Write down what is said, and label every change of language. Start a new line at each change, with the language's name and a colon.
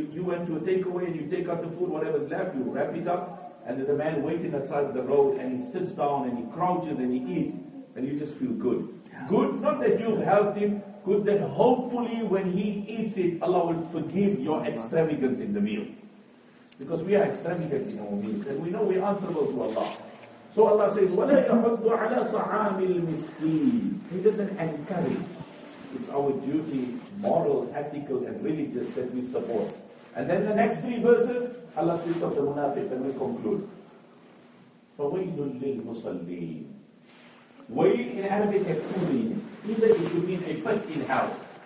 English: You went to a takeaway and you take out the food, whatever's left, you wrap it up, and there's a man waiting outside the road and he sits down and he crouches and he eats. And you just feel good. Good, not that you've helped him, good that hopefully when he eats it, Allah will forgive your extravagance in the meal. Because we are extravagant in our meals, and we know we're answerable to Allah. So Allah says,
Arabic: وَلَا يَحُضُّ عَلَىٰ طَعَامِ الْمِسْكِينِ.
English: He doesn't encourage. It's our duty, moral, ethical, and religious, that we support. And then the next three verses, Allah speaks of the munafiq, and we conclude.
Arabic: فَوَيْنُ لِلْمُصَلِّينَ.
English: Wail in Arabic has two meanings. Either it could mean a fight in hell.